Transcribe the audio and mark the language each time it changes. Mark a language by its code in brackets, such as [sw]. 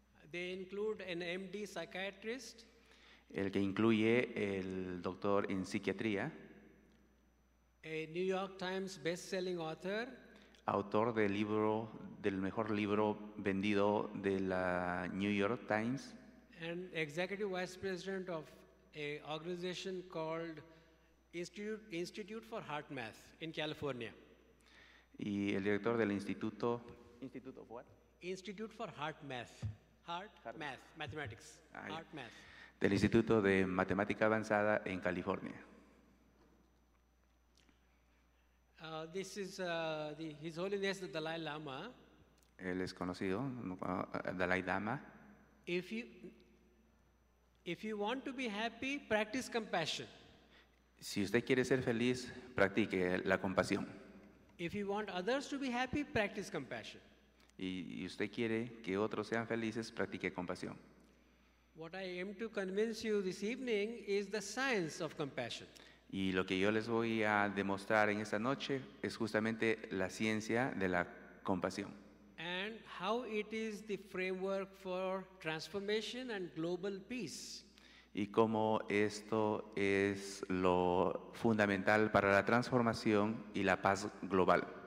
[en] They include an MD psychiatrist. [es] El que incluye el doctor en psiquiatría, [en] a New York Times best-selling author, [es] autor del libro, del mejor libro vendido de la New York Times, [en] and executive vice president of a organization called Institute for Heart Math in California. [es] Y el director del instituto. [en] Institute of what? Institute for Heart Math. Heart Math. Mathematics. Ay. Heart Math. [es] Del Instituto de Matemática Avanzada en California. [en] This is His Holiness the Dalai Lama. [es] Él es conocido, Dalai Lama. [en] If you want to be happy, practice compassion. [es] Si usted quiere ser feliz, practique la compasión. [en] If you want others to be happy, practice compassion. [es] Y usted quiere que otros sean felices, practique compasión. [en] What I aim to convince you this evening is the science of compassion. [es] Y lo que yo les voy a demostrar en esta noche es justamente la ciencia de la compasión. [en] And how it is the framework for transformation and global peace. [es] Y cómo esto es lo fundamental para la transformación y la paz global.